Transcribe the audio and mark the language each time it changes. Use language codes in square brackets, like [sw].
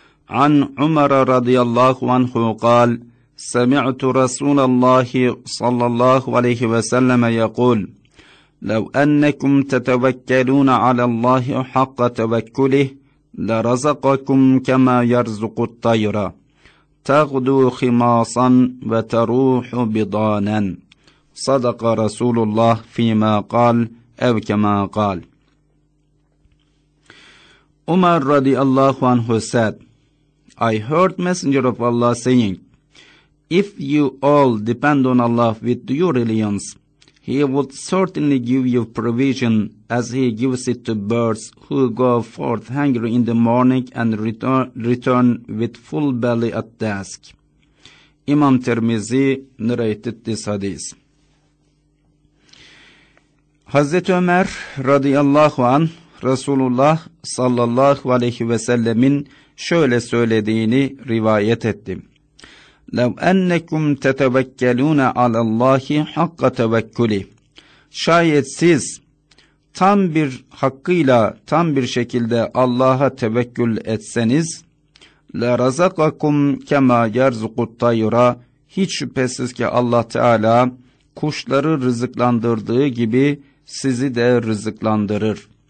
[ar] An Umar radıyallahu anhu قال: سمعت رسول الله صلى الله عليه وسلم يقول: لو أنكم تتوكلون على الله حق توكله لرزقكم كما يرزق الطير تغدو خماصا وتروح بضانا. صدق رسول الله فيما قال اَوْ كَمَا قَال. [en] Umar radıyallahu anhu said, I heard Messenger of Allah saying, if you all depend on Allah with your religions, He would certainly give you provision as he gives it to birds who go forth hungry in the morning and return with full belly at dusk. Imam Tirmizi narrated this hadith. [tr] Hazreti Ömer radıyallahu anh, Resulullah sallallahu aleyhi ve sellemin şöyle söylediğini rivayet etti. [ar] لَوْ اَنَّكُمْ تَتَوَكَّلُونَ عَلَى اللّٰهِ حَقَّ تَوَكُّلِ [tr] Şayet siz tam bir hakkıyla, tam bir şekilde Allah'a tevekkül etseniz, [ar] لَرَزَقَكُمْ كَمَا يَرْزُقُ الطَّيْرَ [tr] Hiç şüphesiz ki Allah Teala kuşları rızıklandırdığı gibi sizi de rızıklandırır.